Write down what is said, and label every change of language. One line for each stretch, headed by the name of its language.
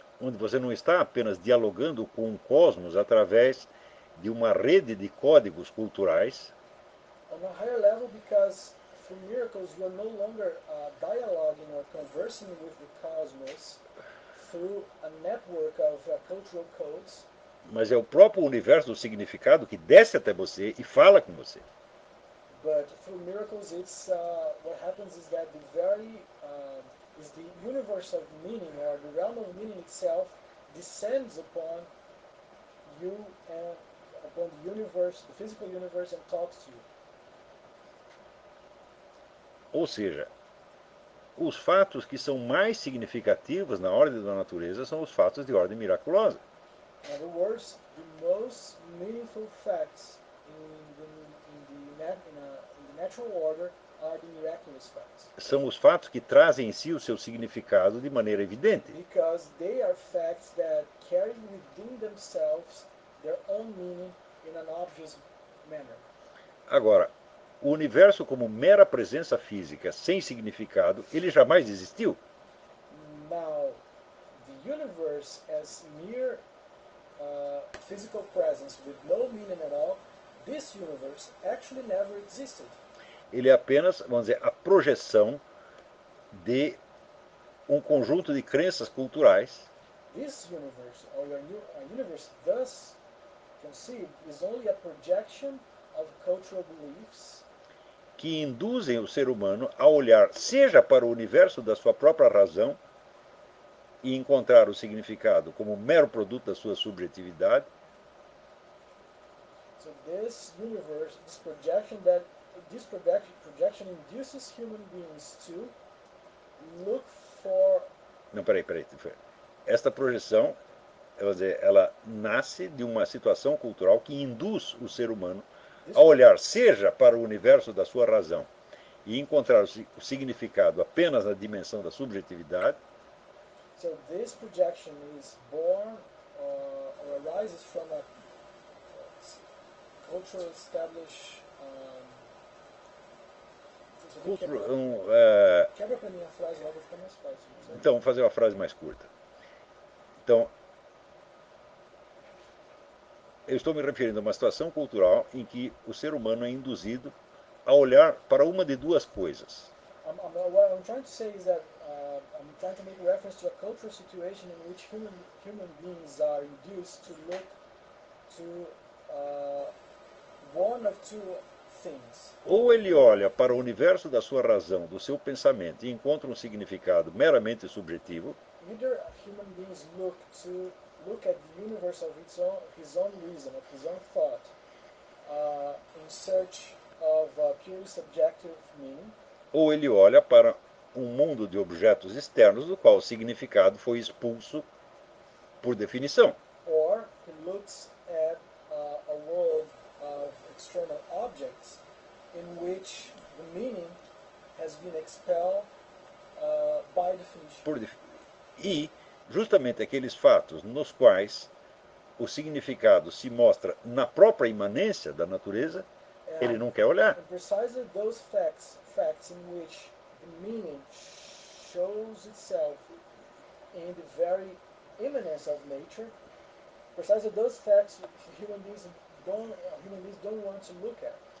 Portuguese: Onde você não está apenas dialogando com o cosmos através de uma rede de códigos culturais.
English: On a higher level, because through miracles you are no longer dialoguing or conversing with the cosmos through a network of cultural codes.
Portuguese: Mas é o próprio universo do significado que desce até você e fala com você.
English: But through miracles, it's what happens is that the very is the universe of meaning, or the realm of meaning itself, descends upon you and upon the universe, the physical universe, and talks to you.
Portuguese: Ou seja, os fatos que são mais significativos na ordem da natureza são os fatos de ordem miraculosa.
English: In other words, the most meaningful facts in the natural order are the miraculous facts.
Portuguese: São os fatos que trazem em si o seu significado de maneira evidente.
English: Because they are facts that carry within themselves their own meaning in an obvious manner.
Portuguese: Agora, o universo como mera presença física sem significado, ele jamais existiu?
English: Now, the universe as mere physical presence with no meaning at all, this universe actually never existed.
Portuguese: Ele é apenas, vamos dizer, a projeção de um conjunto de crenças culturais.
English: This universe, or a universe thus conceived, is only a projection of cultural beliefs
Portuguese: que induzem o ser humano a olhar seja para o universo da sua própria razão e encontrar o significado como mero produto da sua subjetividade.
English: So this universe, this projection that this projection induces human beings to look for...
Portuguese: Não, peraí. Esta projeção, ela nasce de uma situação cultural que induz o ser humano a olhar seja para o universo da sua razão e encontrar o significado apenas na dimensão da subjetividade.
English: So this projection is born or arises from a cultural established
Portuguese: quebra para mim a frase logo, fica mais fácil. Então, vamos fazer uma frase mais curta. Então, eu estou me referindo a uma situação cultural em que o ser humano é induzido a olhar para uma de duas coisas.
English: I'm trying to say is that I'm trying to make reference to a cultural situation in which human beings are induced to look to one of two things.
Portuguese: Ou ele olha para o universo da sua razão, do seu pensamento e encontra um significado meramente subjetivo.
English: Either human beings look at the universe of his own reason, of his own thought, in search of a purely subjective meaning.
Portuguese: Ou ele olha para um mundo de objetos externos do qual o significado foi expulso por definição.
English: Or he looks at a world of external objects in which the meaning has been expelled by definition.
Portuguese: E justamente aqueles fatos nos quais o significado se mostra na própria imanência da natureza, ele não quer olhar.
English: And precisely those facts in which the meaning shows itself in the very imminence of nature, precisely those facts human beings don't want to look at.